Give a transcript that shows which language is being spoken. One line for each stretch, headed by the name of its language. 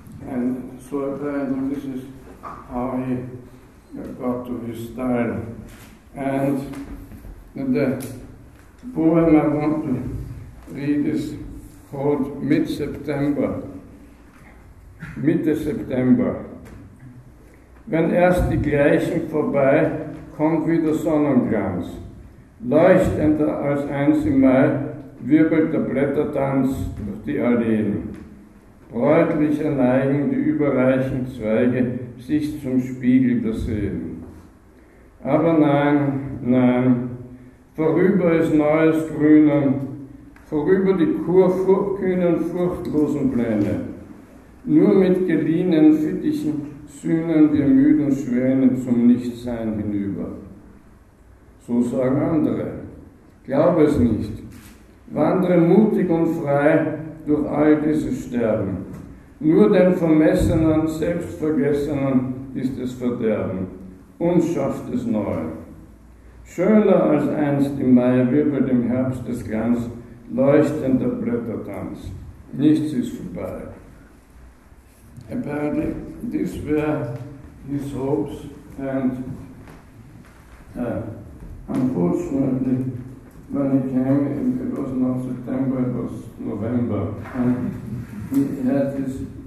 English: And so apparently this is how he got to his style. And the poem I want to read is called Mid-September.
German: Mitte-September. Wenn erst die Gleichen vorbei, kommt wieder Sonnenglanz. Leuchtender als eins im Mai, wirbelt der Blättertanz durch die Alleen. Bräutlicher neigen die überreichen Zweige sich zum Spiegel der Seen. Aber nein, nein, vorüber ist neues Grünen, vorüber die kurkühnen, furchtlosen Pläne. Nur mit geliehenen Fittichen sühnen wir müden Schwäne zum Nichtsein hinüber. So sagen andere. Glaub es nicht. Wandere mutig und frei durch all dieses Sterben. Nur den Vermessenen, Selbstvergessenen ist es Verderben. Uns schafft es neu. Schöner als einst im Mai wirbelt im Herbst des Glanz leuchtender Blättertanz. Nichts ist vorbei.
English: Apparently, these were his hopes, and unfortunately, when he came, it was not September, it was November, and he had his